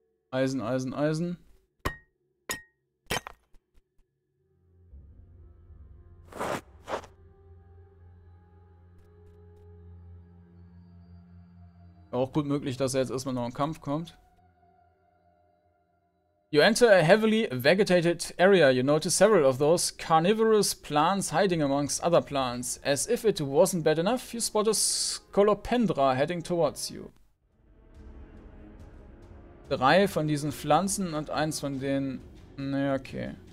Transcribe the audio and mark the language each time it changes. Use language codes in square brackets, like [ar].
[de] Eisen, Eisen, Eisen. Auch gut möglich, dass er jetzt erstmal noch in Kampf kommt. [en] You enter a heavily vegetated area. You notice several of those carnivorous plants hiding amongst other plants. As if it wasn't bad enough, you spot a Scolopendra heading towards you. [de] Drei von diesen Pflanzen und eins von den... Naja, okay.